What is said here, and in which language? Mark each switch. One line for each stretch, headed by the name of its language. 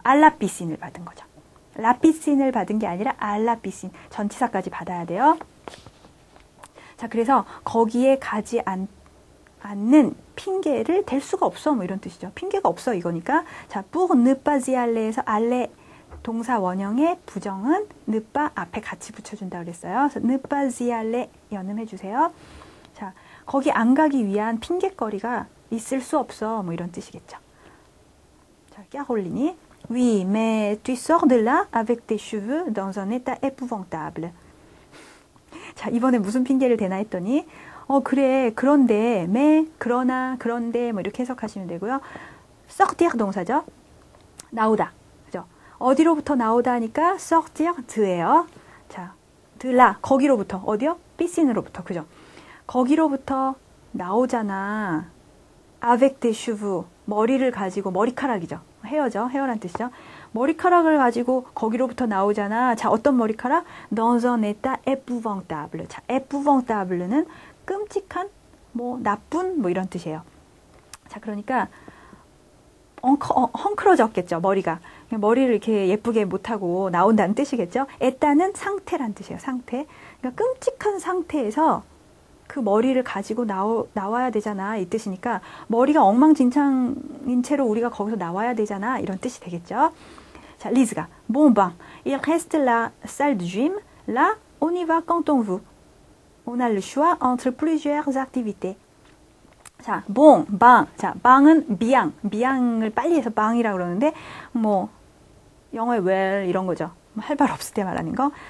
Korean: 알라비신을 받은 거죠. 라비신을 받은 게 아니라 알라비신 전치사까지 받아야 돼요. 자, 그래서 거기에 가지 않 않는 핑계를 댈 수가 없어 뭐 이런 뜻이죠. 핑계가 없어 이거니까. 자,
French: pour ne pas y aller
Korean: 에서 aller 동사 원형의 부정은 ne pas 앞에 같이 붙여준다 그랬어요. 그래서
French: ne pas y aller
Korean: 연음해 주세요. 자, 거기 안 가기 위한 핑계거리가 있을 수 없어 뭐 이런 뜻이겠죠. 자, 꺄홀리니
French: Oui, mais tu sors de là avec tes cheveux dans un état épouvantable.
Korean: 자, 이번에 무슨 핑계를 대나 했더니 그래, 그런데, 매, 그러나, 그런데, 뭐, 이렇게 해석하시면 되고요. sortir 동사죠? 나오다. 그죠? 어디로부터 나오다 하니까
French: sortir de
Korean: 예요. 자,
French: de là.
Korean: 거기로부터. 어디요? 피신으로부터. 그죠? 거기로부터 나오잖아.
French: avec tes cheveux.
Korean: 머리를 가지고, 머리카락이죠. 헤어죠. 헤어란 뜻이죠. 머리카락을 가지고 거기로부터 나오잖아. 자, 어떤 머리카락?
French: dans un état épouvantable.
Korean: 자, épouvantable는 끔찍한, 뭐, 나쁜, 뭐, 이런 뜻이에요. 자, 그러니까, 헝클어졌겠죠, 머리가. 머리를 이렇게 예쁘게 못하고 나온다는 뜻이겠죠? 에따는 상태란 뜻이에요, 상태. 그러니까, 끔찍한 상태에서 그 머리를 가지고 나와야 되잖아, 이 뜻이니까, 머리가 엉망진창인 채로 우리가 거기서 나와야 되잖아, 이런 뜻이 되겠죠? 자, 리즈가.
French: Bon, bon. Il reste la salle de gym. Là, on y va quand on veut. On a le choix entre plusieurs activités.
Korean: 자, bon, bang. 자, bang은 비앙. 비앙을 빨리 해서 bang이라고 그러는데, 뭐, 영어에
English: well,
Korean: 이런 거죠. 뭐할말 없을 때 말하는 거.